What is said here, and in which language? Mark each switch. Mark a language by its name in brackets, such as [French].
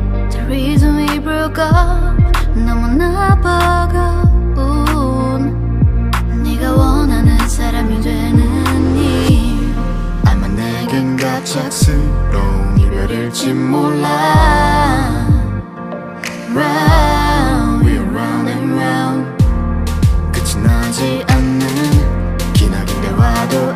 [English] The reason we broke up [Korean] 너무나 버거운 네가 원하는 사람이 되는 일. 아마 내겐 갑작스러운 이별일지 몰라. [English] Round, we're round and round. [Korean] 끝이 나지 않는 기나긴 대화도